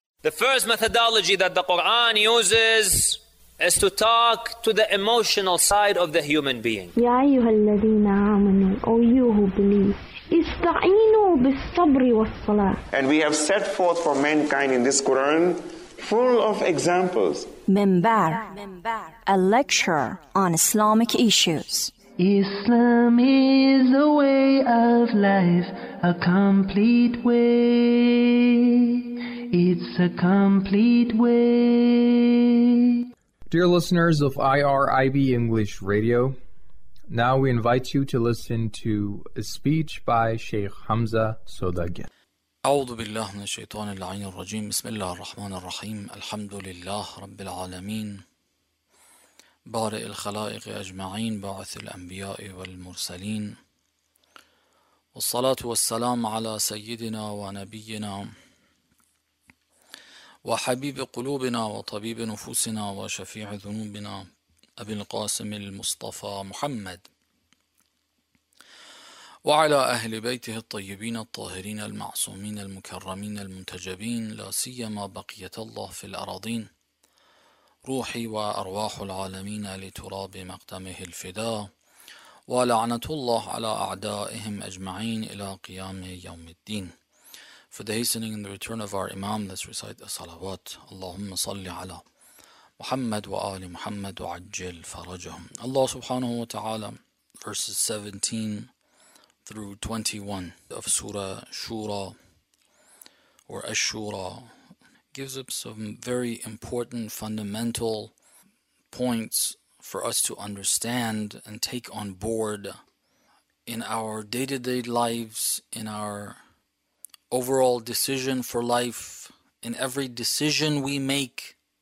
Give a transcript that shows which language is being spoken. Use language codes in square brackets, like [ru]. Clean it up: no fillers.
[en] The first methodology that the Quran uses is to talk to the emotional side of the human being. [ar] يا أيها الذين آمنوا أو يهو بليه استعينوا بالصبر والصلاة. [en] And we have set forth for mankind in this Quran full of examples. Minbar, a lecture on Islamic issues. Islam is a way of life, a complete way. It's a complete way. Dear listeners of IRIB English Radio, now we invite you to listen to a speech by Sheikh Hamza Sodagin. [ar] أعوذ بالله من الشيطان اللعين الرجيم بسم الله الرحمن الرحيم الحمد لله رب العالمين بارئ الخلائق أجمعين باعث الأنبياء والمرسلين والصلاة والسلام على سيدنا ونبينا وحبيب قلوبنا وطبيب نفوسنا وشفيع ذنوبنا أبي القاسم المصطفى محمد وعلى أهل بيته الطيبين الطاهرين المعصومين المكرمين المنتجبين لا سيما بقية الله في الأراضين روحي وأرواح العالمين لتراب مقدمه الفداء ولعنة الله على أعدائهم أجمعين إلى قيام يوم الدين. [en] For the hastening and the return of our Imam, let's recite the salawat. [ar] اللهم صل على محمد وآل محمد وعجل فرجهم. [en] Allah subhanahu wa ta'ala, verses 17 through 21 of Surah Shura or Ash-Shura, gives us some very important fundamental points for us to understand and take on board in our day-to-day lives, in our overall decision for life, in every decision we make.